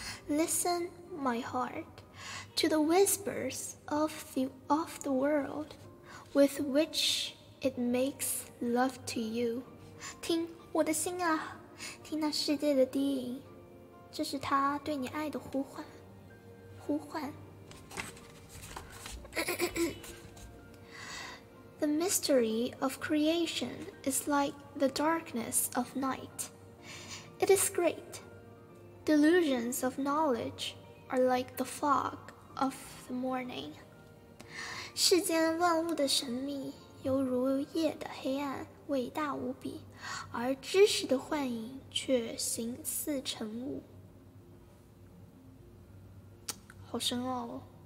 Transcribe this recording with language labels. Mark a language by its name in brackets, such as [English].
[English] Listen my heart to the whispers of the world with which it makes love to you. [Chinese] 听我的心啊，听那世界的低吟，这是他对你爱的呼唤。 [English] The mystery of creation is like the darkness of night. It is great. Delusions of knowledge are like the fog of the morning. [Chinese] 世间万物的神秘犹如夜的黑暗，伟大无比，而知识的幻影却形似晨雾。好深奥哦！